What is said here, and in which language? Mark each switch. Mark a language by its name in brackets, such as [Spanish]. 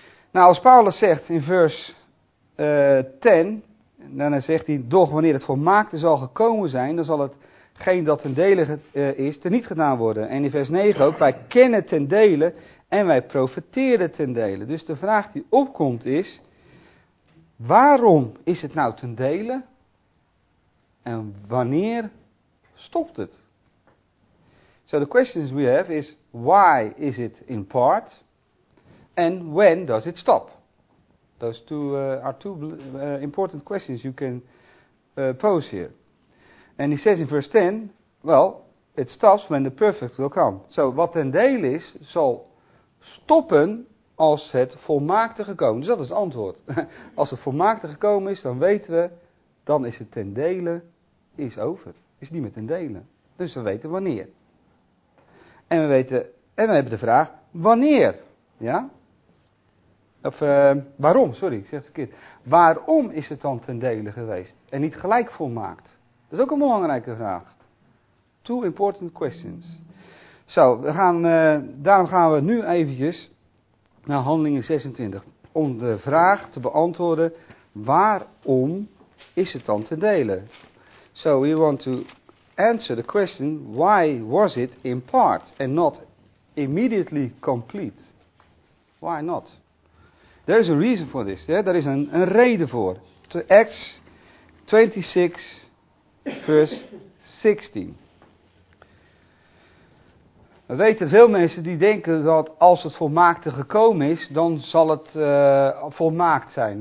[Dutch] Nou, als Paulus zegt in vers 10, dan zegt hij, doch wanneer het volmaakte zal gekomen zijn, dan zal hetgeen dat ten dele is, teniet gedaan worden. En in vers 9 ook, wij kennen ten dele en wij profeteren ten dele. Dus de vraag die opkomt is, waarom is het nou ten dele en wanneer stopt het? [English] So the questions we have is, why is it in part and when does it stop? Those two are two important questions you can pose here. And he says in verse 10, well, it stops when the perfect will come. [Dutch] So wat ten dele is, zal stoppen als het volmaakte gekomen is. Dus dat is het antwoord. Als het volmaakte gekomen is, dan weten we, dan is het ten dele is over. Is niet meer ten dele. Dus we weten wanneer. En we weten, en we hebben de vraag, wanneer? Ja? Of waarom, sorry, ik zeg het verkeerd. Waarom is het dan ten dele geweest en niet gelijk volmaakt? Dat is ook een belangrijke vraag. [English] Two important questions. [Dutch] Zo, daarom gaan we nu eventjes naar Handelingen 26. Om de vraag te beantwoorden, waarom is het dan ten dele? [English] So we want to answer the question, why was it in part and not immediately complete? Why not? There is a reason for this. Yeah? There is [Dutch] een reden voor. [English] To Acts 26, [Dutch] vers 16. We weten veel mensen die denken dat als het volmaakte gekomen is, dan zal het volmaakt zijn.